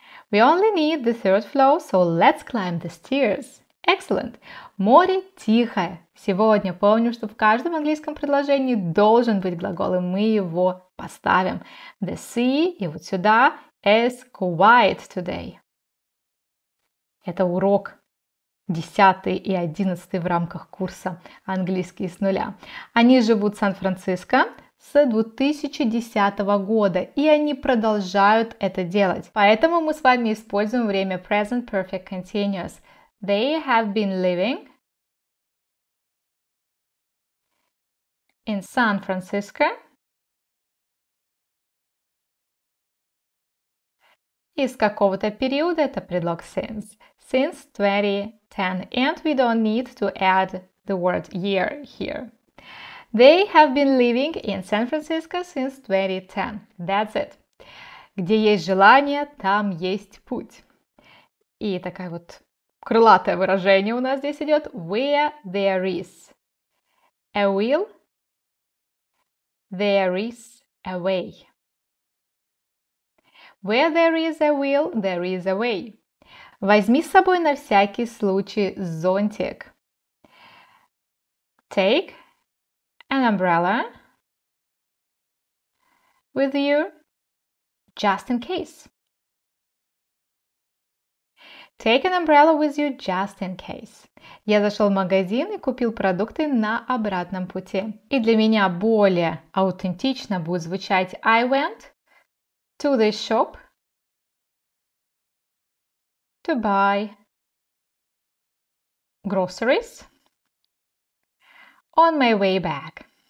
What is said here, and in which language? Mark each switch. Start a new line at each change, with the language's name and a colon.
English: We only need the third floor, so let's climb the stairs. Excellent.
Russian: Море тихое. Сегодня помню, что в каждом английском предложении должен быть глагол, и мы его поставим.
English: The sea,
Russian: и вот сюда,
English: is quiet today.
Russian: Это урок 10 и 11 в рамках курса «Английский с нуля». Они живут в Сан-Франциско. С 2010 года, и они продолжают это делать. Поэтому мы с вами используем время Present Perfect Continuous.
English: They have been living in San Francisco.
Russian: Из какого-то периода, это предлог since.
English: Since 2010, and we don't need to add the word year here. They have been living in San Francisco since 2010. That's it.
Russian: Где есть желание, там есть путь. И такая вот крылатое выражение у нас здесь идет.
English: Where there is a will, there is a way. Where there is a will, there is a way.
Russian: Возьми с собой на всякий случай зонтик.
English: Take an umbrella with you, just in case. Take an umbrella with you just in case.
Russian: Я зашел в магазин и купил продукты на обратном пути. И для меня более аутентично будет звучать
English: I went to the shop to buy groceries on my way back.